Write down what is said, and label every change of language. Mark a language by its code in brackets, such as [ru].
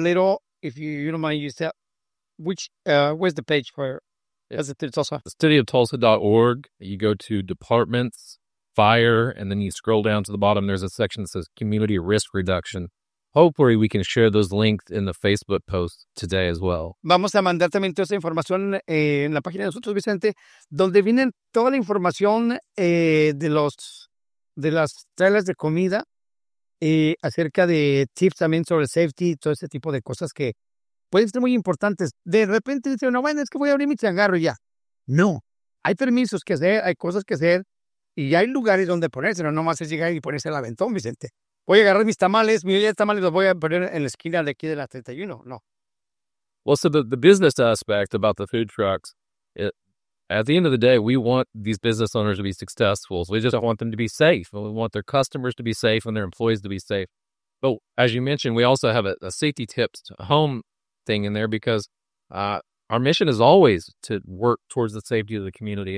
[en] Little, if you don't mind, you said, where's the page for? Is it Tulsa? Cityoftulsa.org. You go to departments, fire, and then you scroll down to the bottom. There's a section that says community risk reduction. Hopefully, we can share those links in the Facebook post today as well. [es] Vamos a mandar también toda esa información en la página de nosotros, Vicente, donde viene toda la información de las trailers de comida acerca de tips también sobre safety y todo ese tipo de cosas que pueden ser muy importantes. De repente dicen, no, bueno, es que voy a abrir mi changarro y ya. No, hay permisos que hacer, hay cosas que hacer Y ya hay lugares donde ponerse, no nomás es llegar y ponerse el aventón, Vicente. Voy a agarrar mis tamales, mi olla de tamales los voy a poner en la esquina de aquí de la 31. No. [en] Well, so the business aspect about the food trucks, at the end of the day, we want these business owners to be successful. So we just want them to be safe. We want their customers to be safe and their employees to be safe. But as you mentioned, we also have a safety tips to home thing in there because our mission is always to work towards the safety of the community.